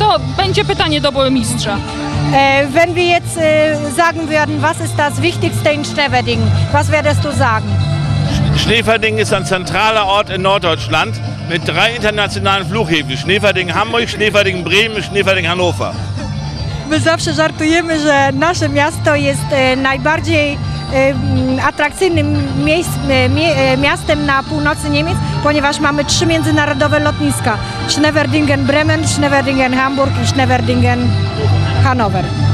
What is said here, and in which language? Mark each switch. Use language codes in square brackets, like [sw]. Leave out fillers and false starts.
[pl] To będzie pytanie do burmistrza. [de] Wenn wir jetzt sagen würden, was ist das Wichtigste in Schneverdingen, was würdest du sagen? Schneverdingen ist ein zentraler Ort in Norddeutschland mit 3 internationalen Flughäfen. Schneverdingen Hamburg, Schneverdingen Bremen, Schneverdingen Hannover. [pl] My zawsze żartujemy, że nasze miasto jest najbardziej atrakcyjnym miastem na północy Niemiec, ponieważ mamy 3 międzynarodowe lotniska. Schneverdingen Bremen, Schneverdingen Hamburg i Schneverdingen Hannover.